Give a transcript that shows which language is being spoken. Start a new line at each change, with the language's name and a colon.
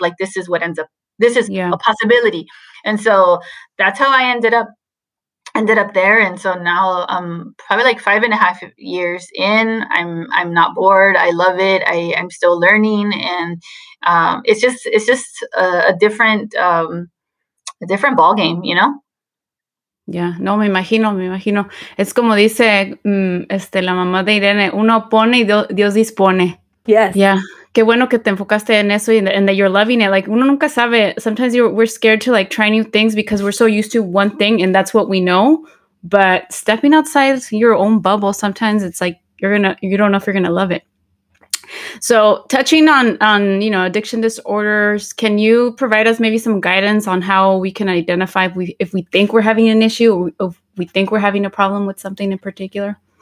English: Like, this is what ends up, this is a possibility. And so that's how I ended up there. And so now I'm probably like 5.5 years in. I'm not bored. I love it. I'm still learning. And it's just a different ball game, you know? Yeah,
Spanish: no, me imagino. Es como dice la mamá de Irene, uno pone y Dios dispone.
English: Yes.
Spanish: Yeah. Qué bueno que te enfocaste en eso
English: and that you're loving it. Like,
Spanish: uno nunca sabe.
English: Sometimes we're scared to, like, try new things because we're so used to one thing and that's what we know. But stepping outside your own bubble, sometimes it's like you don't know if you're going to love it. So touching on you know, addiction disorders, can you provide us maybe some guidance on how we can identify if we think we're having an issue or if we think we're having a problem with something in particular?